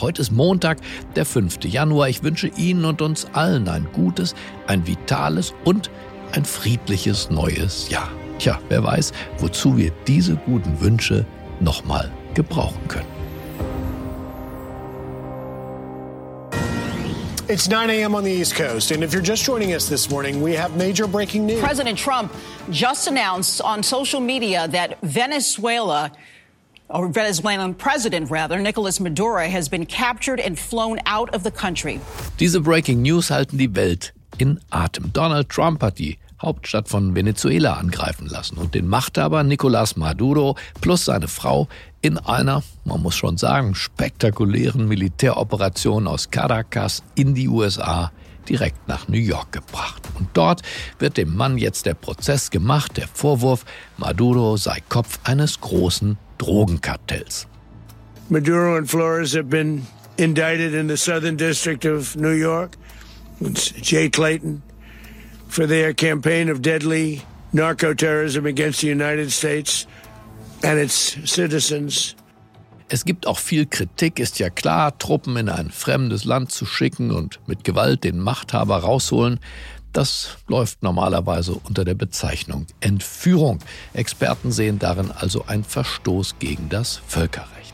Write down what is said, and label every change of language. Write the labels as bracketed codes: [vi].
[de] Heute ist Montag, der 5. Januar. Ich wünsche Ihnen und uns allen ein gutes, ein vitales und ein friedliches neues Jahr. Tja, wer weiß, wozu wir diese guten Wünsche nochmal gebrauchen können. [en] It's 9 a.m. on the East Coast, and if you're just joining us this morning, we have major breaking news. President Trump just announced on social media that Venezuelan President Nicolas Maduro has been captured and flown out of the country. [de] Diese breaking news halten die Welt in Atem. Donald Trump hat die Hauptstadt von Venezuela angreifen lassen und den Machthaber Nicolas Maduro plus seine Frau in einer, man muss schon sagen, spektakulären Militäroperation aus Caracas in die USA direkt nach New York gebracht. Und dort wird dem Mann jetzt der Prozess gemacht, der Vorwurf, Maduro sei Kopf eines großen Drogenkartells. [en] Maduro [de] und [en] Flores have been indicted in the Southern District of New York. It's Jay Clayton. For their campaign of deadly narco-terrorism against the United States and its citizens. [de] Es gibt auch viel Kritik, ist ja klar, Truppen in ein fremdes Land zu schicken und mit Gewalt den Machthaber rausholen. Das läuft normalerweise unter der Bezeichnung Entführung. Experten sehen darin also einen Verstoß gegen das Völkerrecht.